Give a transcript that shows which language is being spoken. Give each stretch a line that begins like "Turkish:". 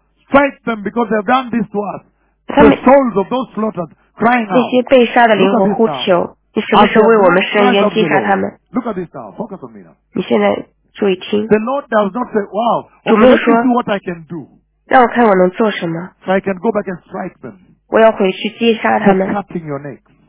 English: Strike them because they have done this to us. The souls of those slaughtered crying out.
Chinese: 那些被杀的灵魂呼求, 你什么时候为我们伸冤击杀他们?
English: Look at this now. Focus on me now.
Chinese: 你现在注意听。
English: The Lord does not say, wow, okay, let me see what I can do.
Chinese: 让我看我能做什么。
English: So I can go back and strike them.
Chinese: 我要回去击杀他们。
English: You're cutting your necks.